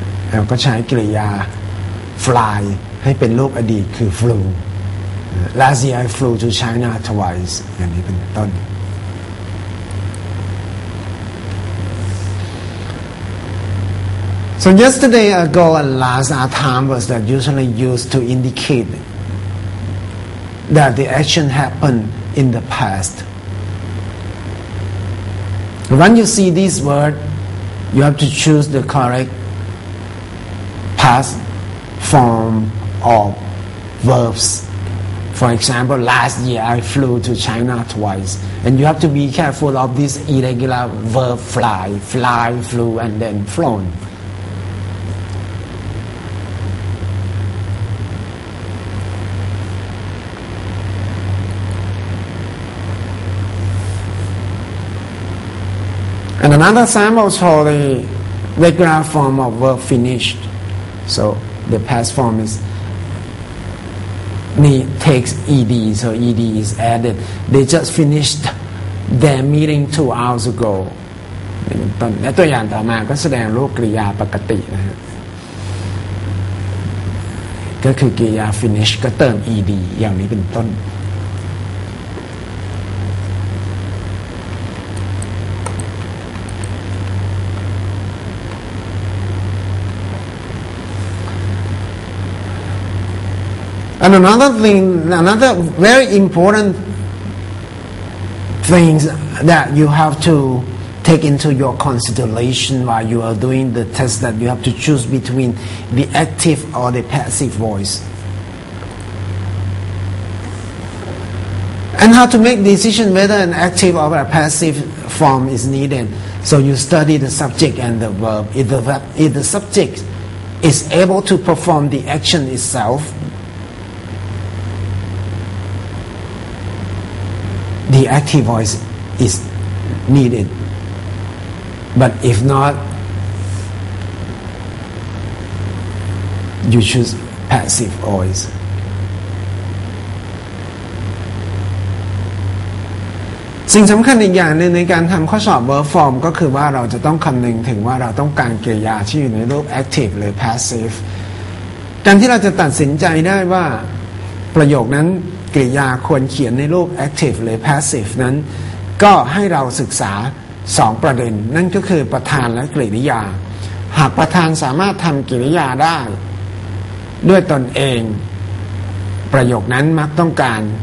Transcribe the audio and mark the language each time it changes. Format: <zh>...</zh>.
<th>แล้วก็ใช้กริยา</th> <en>fly</en> <th>ให้เป็นรูปอดีตคือ</th> <en>flew last year I flew to China twice</en> <th>อย่างนี้เป็นต้น</th> <en>So yesterday, ago, and last are times that usually used to indicate that the action happened in the past. When you see this word, you have to choose the correct past form of verbs. For example, last year I flew to China twice. And you have to be careful of this irregular verb fly, fly, flew, and then flown. And another example is for the regular form of verb finished. So the past form is takes ed, so ed is added. They just finished their meeting 2 hours ago. และตัวอย่างต่อมาก็แสดงรูปกริยาปกตินะครับก็คือกริยา finished ก็เติม ed อย่างนี้เป็นต้น And another thing, another very important things that you have to take into your consideration while you are doing the test that you have to choose between the active or the passive voice. And how to make decision whether an active or a passive form is needed. So you study the subject and the verb. If the subject is able to perform the action itself,The active voice is needed, but if not, you choose passive voice.</en> <th>สิ่งสำคัญอีกอย่างนึงในการทำข้อสอบ verb form ก็คือว่าเราจะต้องคำนึงถึงว่าเราต้องการกริยาที่อยู่ในรูป active หรือ passive. การที่เราจะตัดสินใจได้ว่าประโยคนั้นกริยาควรเขียนในรูป active หรือ passive นั้นก็ให้เราศึกษา2ประเด็นนั่นก็คือประธานและกริยาหากประธานสามารถทำกริยาได้ด้วยตนเองประโยคนั้นมักต้องการ</th>